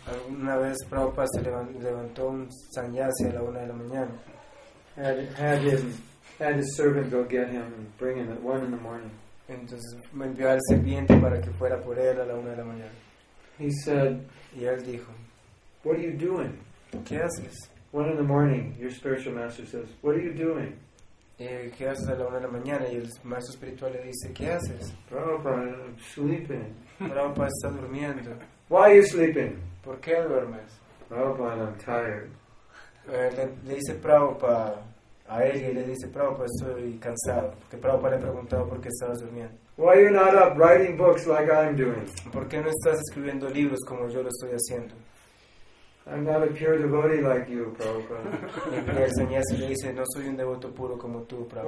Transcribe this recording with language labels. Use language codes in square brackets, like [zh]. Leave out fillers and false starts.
[es] Una vez Prabhupada se levantó un sannyasi a la 1 a.m. [en] Had his servant go get him and bring him at 1 a.m. [es] Entonces me envió al sirviente para que fuera por él a la 1 a.m. [en] He said, [es] y él dijo, [en] what are you doing? [es] ¿Qué haces? [en] 1 a.m, your spiritual master says, what are you doing? [es] ¿Qué haces a la 1 a.m? Y el maestro espiritual le dice, ¿qué haces? [en] Prabhupada, I'm sleeping. [es] Prabhupada está durmiendo. [en] Why are you sleeping? [es] ¿Por qué duermes? [en] Prabhupada, I'm tired. [es] Le dice Prabhupada a él y le dice, Prabhupada, estoy cansado. Porque Prabhupada le preguntaba por qué estabas durmiendo. [en] Why are you not up writing books like I'm doing? [es] ¿Por qué no estás escribiendo libros como yo lo estoy haciendo? [en] I'm not a pure devotee like you, Prabhupada. [es] Y el sannyasi le dice, no soy un devoto puro como tú, Prabhupada.